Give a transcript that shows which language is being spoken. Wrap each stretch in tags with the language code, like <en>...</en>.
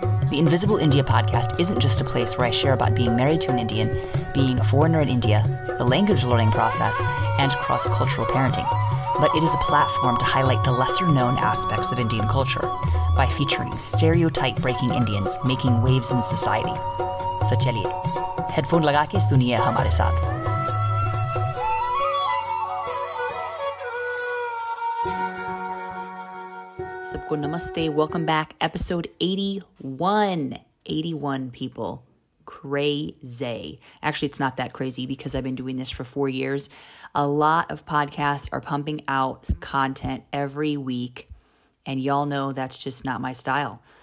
<en>The Invisible India podcast isn't just a place where I share about being married to an Indian, being a foreigner in India, the language learning process, and cross-cultural parenting, but it is a platform to highlight the lesser-known aspects of Indian culture by featuring stereotype-breaking Indians making waves in society.</en> <hi>सो चलिए, headphone लगा के सुनिए हमारे साथ. सबको नमस्ते,</hi> <en>welcome back. Episode 81. 81 people. Crazy. Actually, it's not that crazy because I've been doing this for 4 years. A lot of podcasts are pumping out content every week, and y'all know that's just not my style.</en>